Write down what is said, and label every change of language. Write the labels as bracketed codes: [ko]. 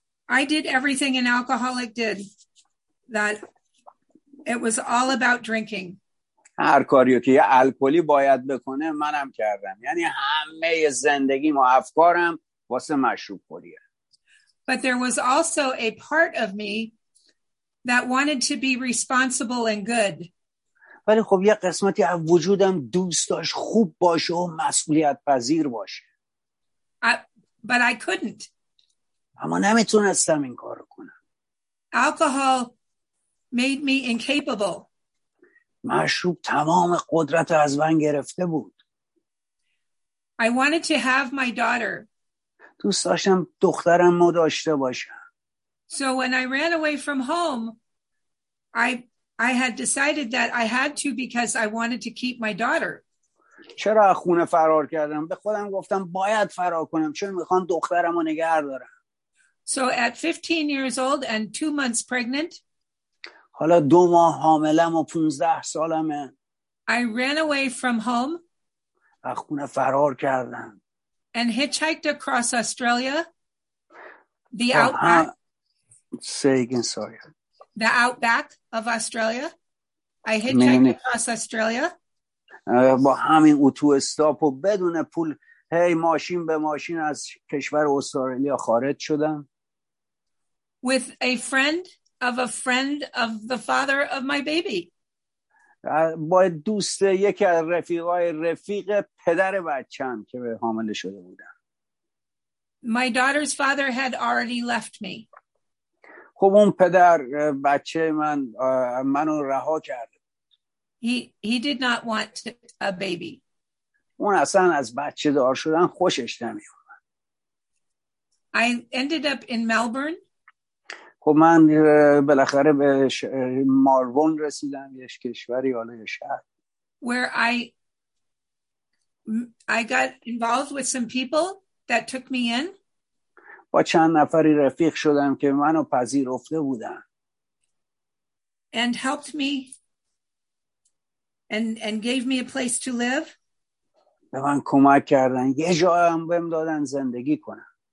[en] I did everything an alcoholic did, that it was all about drinking. [fa] هر کاریو که یه الکلی باید بکنه منم کردم، یعنی همه زندگیم و افکارم واسه مشروب خوریه. [en] But there was also a part of me that wanted to be responsible and good. [fa] ولی خب یه قسمتی از وجودم دوست داشت خوب باشه و مسئولیت پذیر باشه. [en] But I couldn't. [fa] اما نمیتونستم این کارو کنم. [en] Alcohol made me incapable. [fa] مشروب تمام قدرت از من گرفته بود. [en] I wanted to have my daughter. [fa] دوست داشتم دخترم رو داشته باشم. [en] So when I ran away from home, I had decided that I had to because I wanted to keep my daughter. [fa] چرا خونه فرار کردم؟ به خودم گفتم باید فرار کنم چون میخوام دخترم رو نگه دارم. [en] So at 15 years old and 2 months pregnant, [fa] حالا 2 ماه حاملم و 15 سالمه. [en] I ran away from home. [fa] از خونه فرار کردم. [en] And hitchhiked across Australia. The outback. Say again, sorry. The outback of Australia. I hitchhiked across Australia. [fa] با همین اتو استاپ و بدون پول هی ماشین به ماشین از کشور استرالیا خارج شدم. [en] With a friend of a friend of the father of my baby. [fa] با دوست یکی از رفیقای رفیق پدر بچه‌ام که حامل شده بودم. [en] My daughter's father had already left me. [fa] خب اون پدر بچه من منو رها کرد. [en] He did not want a baby. [fa] اون اصلا از بچه دار شدن خوشش نمی اومد. [en] I ended up in Melbourne. [fa] خب من بالاخره به ملبورن رسیدم یه کشوری حالا یه شهر. [en] Where I got involved with some people that took me in. [fa] با چند نفری رفیق شدم که منو پذیرفته بودن. [en] And helped me. And gave me a place to live. [fa] به من کمک کردن. یه جایی بهم دادن زندگی کنم.